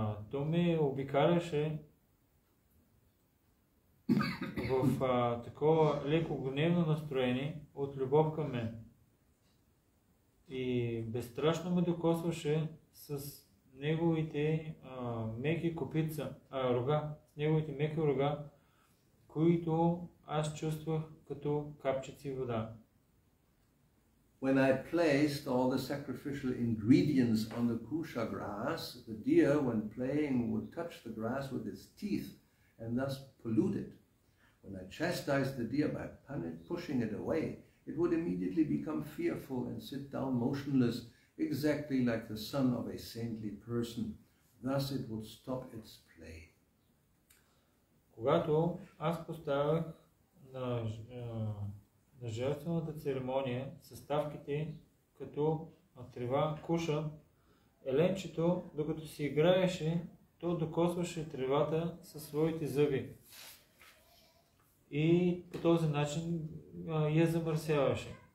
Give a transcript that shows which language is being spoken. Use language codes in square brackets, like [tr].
[bg] То ме обикаляше в такова леко гневно настроение от любов към мен. И безстрашно ме докосваше с неговите меки копица, рога, с неговите меки рога, които аз чувствах като капчици вода. [en] When I placed all the sacrificial ingredients on the kusha grass, the deer, when playing, would touch the grass with its teeth and thus pollute it. When I chastised the deer by pushing it away, it would immediately become fearful and sit down motionless, exactly like the son of a saintly person. Thus it would stop its play. [bg] Когато аз поставях на жертвената церемония съставките като трева куша, еленчето, докато си играеше, то докосваше тревата със своите зъби и по този начин я замърсяваше.